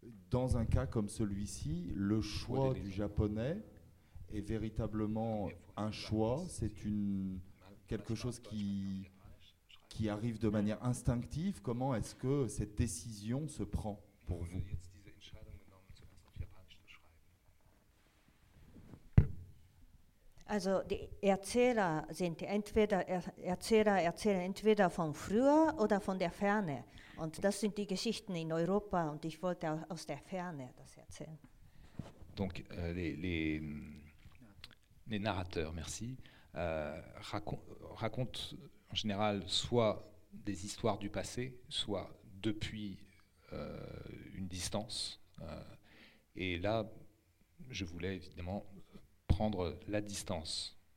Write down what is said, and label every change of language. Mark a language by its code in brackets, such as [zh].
[fr] Dans un cas comme celui-ci, le choix du japonais est véritablement un choix. C'est quelque chose qui arrive de manière instinctive. Comment est-ce que cette décision se prend pour vous ? [de] Also die Erzähler sind entweder Erzähler erzählen entweder von früher oder von der Ferne und das sind die Geschichten in Europa und ich wollte aus der Ferne das erzählen. [fr] Donc les narrateurs, merci, racontent en général soit des histoires du passé, soit depuis une distance. Et là, je voulais évidemment prendre la distance.